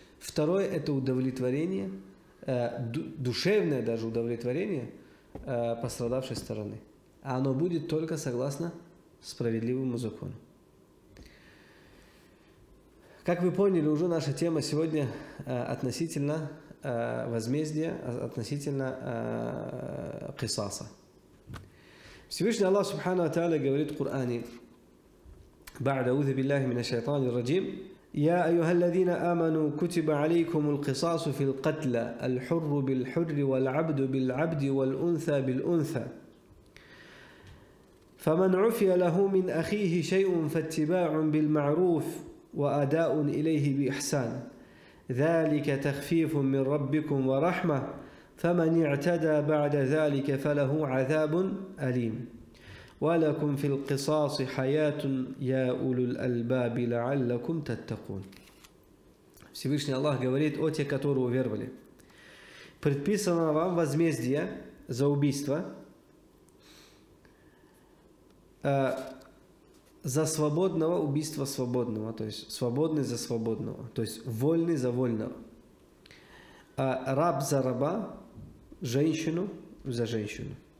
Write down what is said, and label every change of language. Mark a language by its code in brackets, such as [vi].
[ru] Второе – это удовлетворение, душевное даже удовлетворение пострадавшей стороны. А оно будет только согласно справедливому закону. Как вы поняли, уже наша тема сегодня относительно возмездия, относительно кисаса. Всевышний Аллах Субхану ва Тааля говорит в Коране: [ar] بعد أعوذ بالله من الشيطان الرجيم يا أيها الذين آمنوا كتب عليكم القصاص في القتلى الحر بالحر والعبد بالعبد والأنثى بالأنثى فمن عفي له من أخيه شيء فاتباع بالمعروف وأداء إليه بإحسان ذلك تخفيف من ربكم ورحمة فمن اعتدى بعد ذلك فله عذاب أليم وَلَكُمْ فِي الْقِصَاصِ حَيَاتٌ يَا أُولُو الْأَلْبَابِ لَعَلَّكُمْ تَتَّقُونَ. [ru] Всевышний Аллах говорит: о те, которые уверовали, предписано вам возмездие за убийство, за свободного убийство свободного, то есть свободный за свободного, то есть вольный за вольного, раб за раба, женщину за женщину.